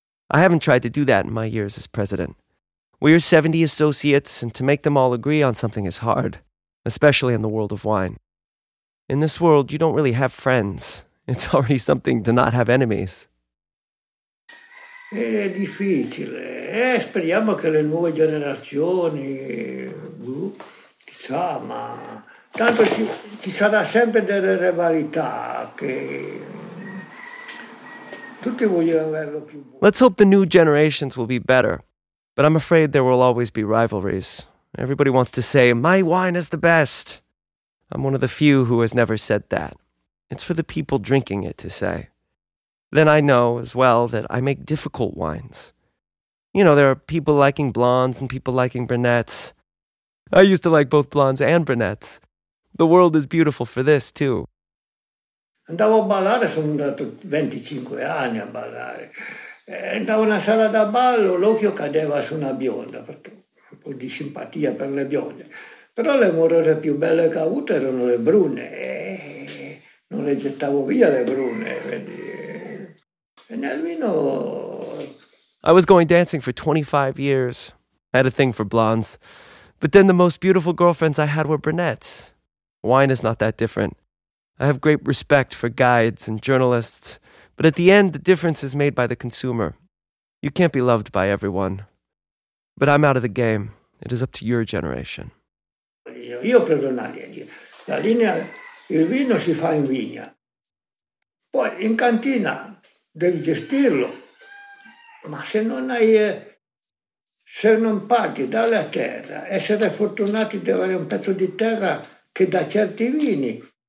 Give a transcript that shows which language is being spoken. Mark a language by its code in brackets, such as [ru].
[en] I haven't tried to do that in my years as president. We are 70 associates, and to make them all agree on something is hard, especially in the world of wine. In this world, you don't really have friends. It's already something to not have enemies. [it] È difficile. Speriamo che le nuove generazioni, chissà, ma tanto ci sarà sempre delle rivalità che tutti vogliono averlo più buono. [en] Let's hope the new generations will be better, but I'm afraid there will always be rivalries. Everybody wants to say, my wine is the best. I'm one of the few who has never said that. It's for the people drinking it to say. Then I know as well that I make difficult wines. You know, there are people liking blondes and people liking brunettes. I used to like both blondes and brunettes. The world is beautiful for this, too. [it] Andavo a ballare, sono andato 25 anni a ballare. Andavo in una sala da ballo, l'occhio cadeva su una bionda, perché un po' di simpatia per le bionde. Però le morose più belle che ho avuto erano le brune. Non le gettavo via le brune, vedi. E nel vino... [en] I was going dancing for 25 years. I had a thing for blondes. But then the most beautiful girlfriends I had were brunettes. Wine is not that different. I have great respect for guides and journalists. But at the end, the difference is made by the consumer. You can't be loved by everyone. But I'm out of the game. It is up to your generation. [it] Io prendo una linea. La linea, il vino si fa in vigna. Poi in cantina devi gestirlo. Ma se non hai, se non paghi, dalle a terra. Essere fortunati di avere un pezzo di terra che dà certi vini.